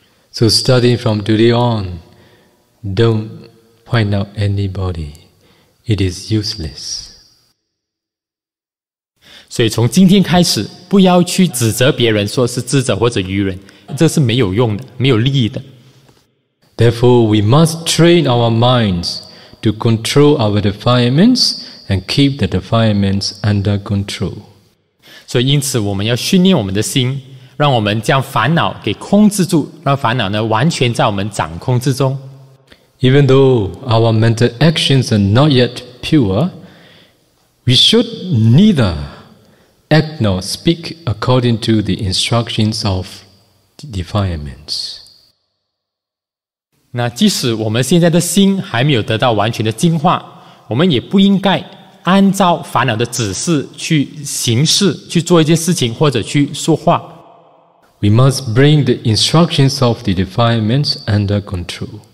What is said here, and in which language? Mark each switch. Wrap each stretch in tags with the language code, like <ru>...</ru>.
<en>So starting from today on, don't point out anybody. It is useless.</en> <zh>所以从今天开始，不要去指责别人说是智者或者愚人，这是没有用的，没有利益的。</zh> <en>Therefore, we must train our minds to control our defilements. And keep the defilements under control.</en> <zh>所以因此我们要训练我们的心，让我们将烦恼给控制住，让烦恼呢完全在我们掌控之中。</zh> <en>Even though our mental actions are not yet pure, we should neither act nor speak according to the instructions of defilements.</en> <zh>那即使我们现在的心还没有得到完全的净化，我们也不应该按照烦恼的指示去行事，去做一件事情或者去说话。</zh> <en>We must bring the instructions of the defilements under control.</en>